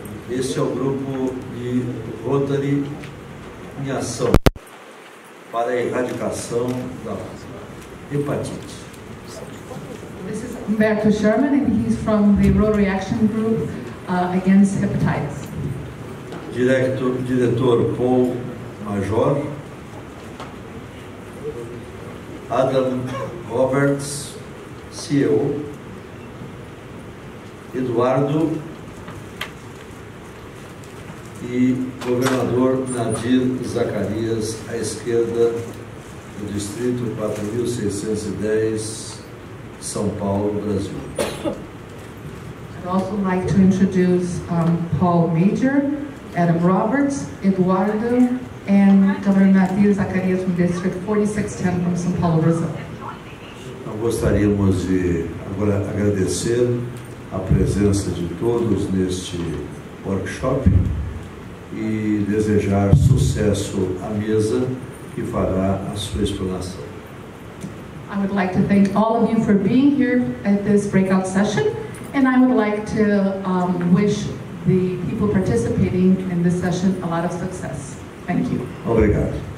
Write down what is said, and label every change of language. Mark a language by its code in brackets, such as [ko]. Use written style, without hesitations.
[pt] Esse é o grupo de Rotary em ação para a erradicação da hepatite. [en] This is Humberto Sherman, and he's from the Rotary Action Group against Hepatitis. [pt] Diretor Paul Major. Adam Roberts, CEO. Eduardo. E governador Nadir Zacarias, à esquerda do Distrito 4610, São Paulo, Brasil. [en] I'd also like to introduce Paul Major, Adam Roberts, Eduardo, and Governor Nadir Zacarias from District 4610 from São Paulo, Brasil. [pt] Nós gostaríamos de agora agradecer a presença de todos neste workshop. E desejar sucesso à mesa que fará a sua explanação. [en] I would like to thank all of you for being here at this breakout session, and I would like to wish the people participating in this session a lot of success. Thank you. [pt] Obrigado.